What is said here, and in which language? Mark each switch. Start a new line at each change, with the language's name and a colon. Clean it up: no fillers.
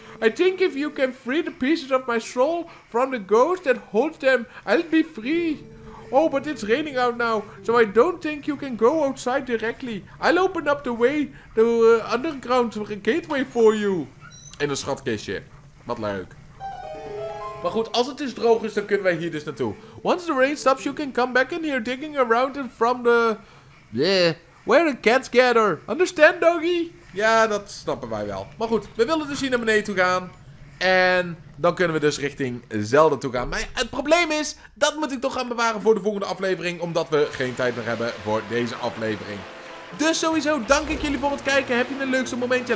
English: I think if you can free the pieces of my soul from the ghost that holds them, I'll be free. Oh, but it's raining out now, so I don't think you can go outside directly. I'll open up the way, the underground gateway for you.
Dutch: In een schatkistje. Wat leuk. Maar goed, als het dus droog is, dan kunnen wij hier dus naartoe.
English: Once the rain stops, you can come back in here digging around and from the... Where the cats gather. Understand, doggy?
Dutch: Ja, dat snappen wij wel. Maar goed, we willen dus hier naar beneden toe gaan. En dan kunnen we dus richting Zelda toe gaan. Maar ja, het probleem is, dat moet ik toch gaan bewaren voor de volgende aflevering. Omdat we geen tijd meer hebben voor deze aflevering. Dus sowieso, dank ik jullie voor het kijken. Heb je een leukste momentje?